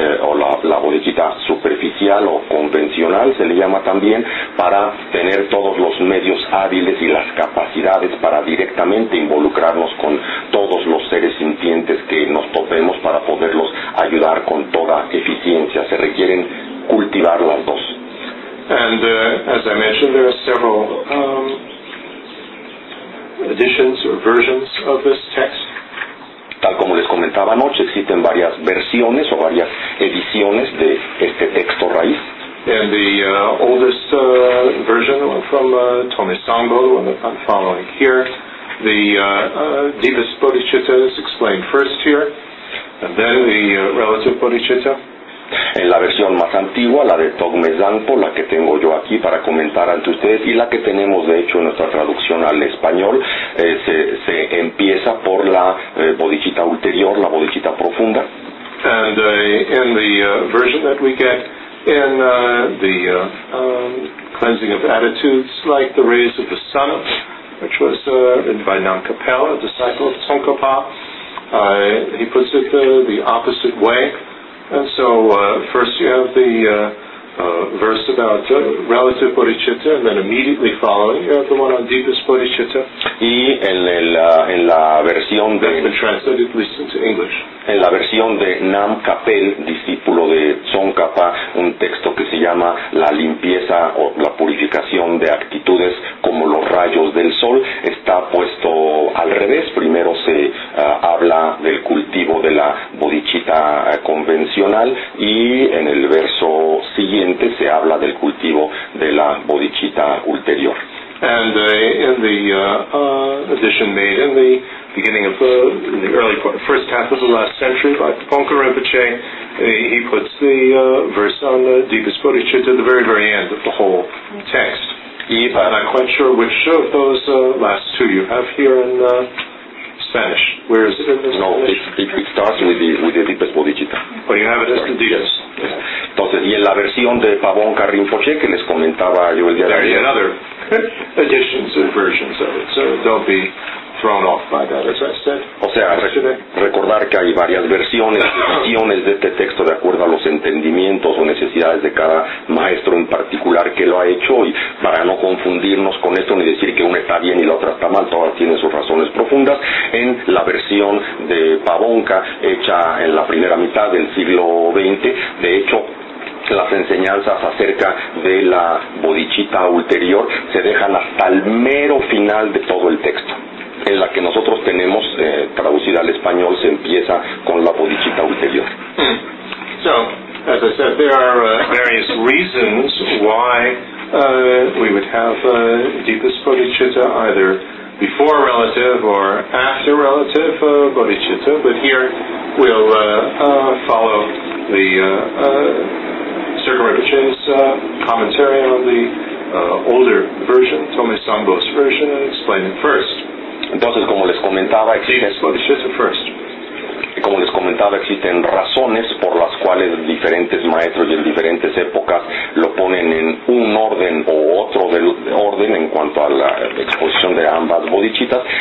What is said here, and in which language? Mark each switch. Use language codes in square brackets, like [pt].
[es] o la bodhichita superficial o convencional se le llama también, para tener todos los medios hábiles y las capacidades para directamente involucrarnos con todos los seres sintientes que nos topemos para poderlos ayudar con toda eficiencia. Se requieren cultivar las dos. [en] And as I mentioned, there are several editions or versions of this text. [es] Tal como les comentaba anoche, existen varias versiones o varias ediciones de este texto raíz. [en] And the oldest version, the one from Tome Sambo, the one that I'm following here, the deepest bodhicitta is explained first here, and then the relative bodhicitta. [es] En la versión más antigua, la de Tome Sambo, la que tengo yo aquí para comentar ante ustedes, y la que tenemos de hecho en nuestra traducción al español, se empieza por la bodhicitta ulterior, la bodhicitta profunda. [en] And in the version that we get in the cleansing of attitudes, like the rays of the sun, which was written by Namkapel, a disciple of Tsongkhapa. He puts it the opposite way. And so first you have the verse about relative bodhicitta, and then immediately following you have the one on deepest bodhicitta. [es] Y en la versión de... [en] That's been translated at least into English. [es] En la versión de Namkapel, discípulo de Tsongkhapa, un texto que se llama La limpieza o la purificación de actitudes como los rayos del sol, está puesto al revés. Primero se habla del cultivo de la bodhicitta convencional, y en el verso siguiente se habla del cultivo de la bodhicitta ulterior. [en] And in the edition made in the beginning of in the early part, first half of the last century by Ponkar Rinpoche, he puts the verse on the deepest bodhicitta at the very, very end of the whole text. Eva. I'm not quite sure which of those last two you have here in Spanish. Where is it in the Spanish? No, it starts with the deepest bodhicitta. Oh, you have it as the deepest. [es] Entonces, y en la versión de Ponkar Rinpoche que les comentaba yo el día de ayer. [en] Another editions and versions of it, so don't be thrown off by that, as I said. [es] O sea, recordar que hay varias versiones, ediciones de este texto de acuerdo a los entendimientos o necesidades de cada maestro en particular que lo ha hecho, y para no confundirnos con esto ni decir que una está bien y la otra está mal, todas tienen sus razones profundas. En la versión de Pavonka, hecha en la primera mitad del siglo XX, de hecho, las enseñanzas acerca de la bodhicitta ulterior se dejan hasta el mero final de todo el texto. En la que nosotros tenemos traducida al español, se empieza con la bodhicitta ulterior. [en] So, as I said, there are various reasons why we would have deepest bodhicitta either before relative or after relative bodhicitta, but here we'll follow the Rinpoche's commentary on the older version, Tome Sambo's version, and explain it first. [es] Entonces, como les comentaba, [en] deepest bodhicitta first. [es] como les comentaba, existen razones por las cuales diferentes maestros y en diferentes épocas lo ponen en un orden o otro del orden en cuanto a la exposición de ambas bodichitas.